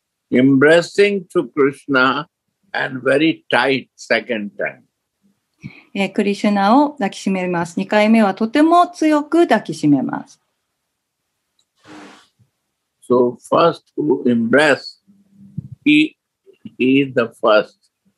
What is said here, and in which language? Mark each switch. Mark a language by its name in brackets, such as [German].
[English] Embracing to Krishna and very tight second time. [Japanese] クリシュナを抱きしめます。2回目はとても強く抱きしめます。 [English] So first who embraced, he is the first.